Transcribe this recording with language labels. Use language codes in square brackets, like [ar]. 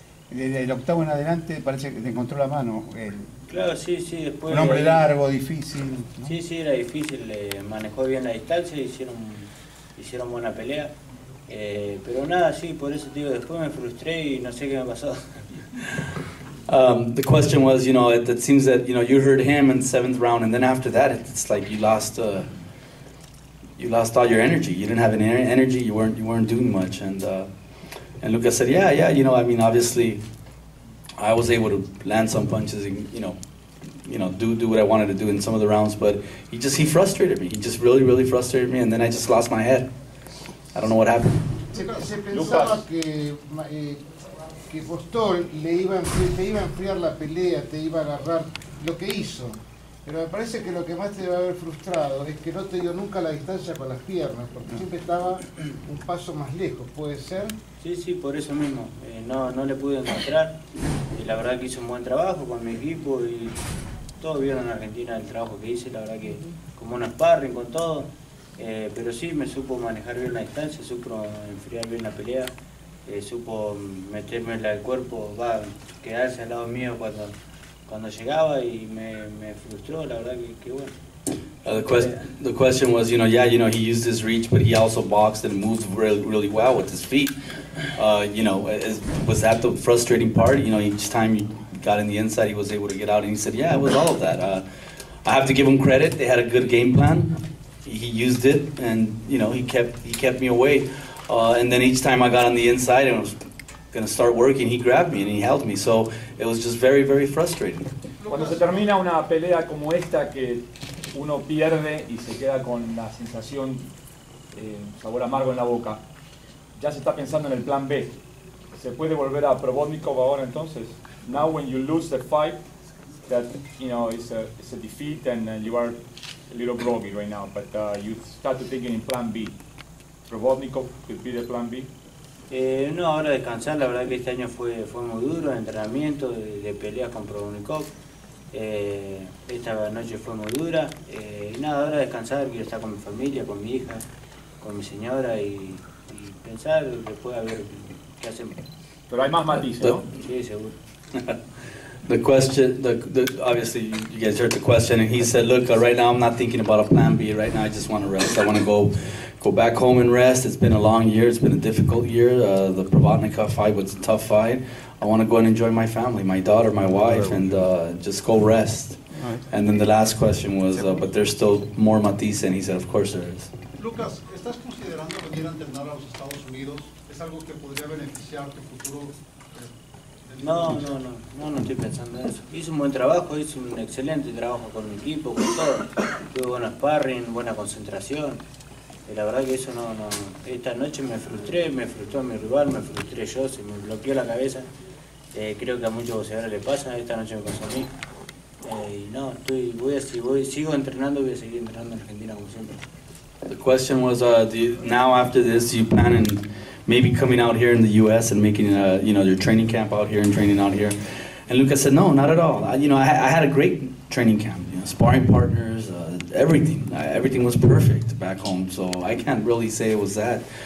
[es] Desde el octavo en adelante parece que te encontró la mano. Claro, sí, después... Un hombre largo, difícil, ¿no? Sí, era difícil, manejó bien la distancia, hicieron buena pelea. Pero nada, sí, por eso digo, después me frustré y no sé qué me pasó. [en] The question was, you know, it seems that, you know, you hurt him in the seventh round, and then after that, it's like you lost all your energy. You didn't have any energy, you weren't doing much. And Lucas said, yeah, you know, I mean, obviously... I was able to land some punches and you know, do what I wanted to do in some of the rounds, but he frustrated me. He just really, really frustrated me, and then I just lost my head. I don't know what happened. [es] Se pensaba que Postol te iba a enfriar la pelea, te iba a agarrar lo que hizo. Pero me parece que lo que más te debe haber frustrado es que no te dio nunca la distancia con las piernas, porque siempre estaba un paso más lejos, ¿puede ser? Sí, por eso mismo. No le pude encontrar. La verdad que hizo un buen trabajo con mi equipo y todos vieron en Argentina el trabajo que hice, la verdad que como un sparring con todo. Pero sí, me supo manejar bien la distancia, supo enfriar bien la pelea, supo meterme en el cuerpo, quedarse al lado mío cuando llegaba y me frustró, la verdad que bueno. [en] The question was, you know, yeah, you know, he used his reach, but he also boxed and moved really, really well with his feet. You know, was that the frustrating part? You know, each time he got in the inside, he was able to get out. And he said, yeah, it was all of that. I have to give him credit. They had a good game plan. He used it, and, you know, he kept me away. And then each time I got on the inside and was going to start working, he grabbed me and he held me. So it was just very, very frustrating. [es] Cuando se termina una pelea como esta, que uno pierde y se queda con la sensación, sabor amargo en la boca, ya se está pensando en el plan B. ¿Se puede volver a Probotnikov ahora entonces? [en] Now when you lose the fight, that, you know, it's a defeat and you are a little groggy right now, but you start to think in plan B. Probotnikov could be the plan B. [es] No, ahora descansar, la verdad que este año fue muy duro, entrenamiento, de pelea con Probotnikov. Esta noche fue muy dura. Nada, ahora descansar, quiero estar con mi familia, con mi hija, con mi señora y pensar después a ver qué hacemos. Pero hay más matices, ¿no? Sí, seguro. [en] The question, the obviously you guys heard the question, and he said, look, right now I'm not thinking about a plan B. Right now I just want to rest. I want to go back home and rest. It's been a long year. It's been a difficult year. The Probotnikov fight was a tough fight. I want to go and enjoy my family, my daughter, my wife, and just go rest. Right. And then the last question was, but there's still more Matthysse, and he said, of course there is. [es] Lucas, ¿estás considerando venir a entrenar a los Estados Unidos? ¿Es algo que podría beneficiar tu futuro? No estoy pensando en eso. Hice un buen trabajo, hice un excelente trabajo con mi equipo, con todo. Tuve buenos sparring, buena concentración. Y la verdad que eso no. Esta noche me frustró a mi rival, me frustré yo, se me bloqueó la cabeza. Creo que a muchos boxeadores le pasa, esta noche me pasó a mí. Y no, estoy, sigo entrenando, voy a seguir entrenando en Argentina como siempre. [en] The question was, now after this, do you plan on maybe coming out here in the U.S. and making your training camp out here and training out here? And Lucas said, no, not at all. I had a great training camp, you know, sparring partners, everything. Everything was perfect back home, so I can't really say it was that.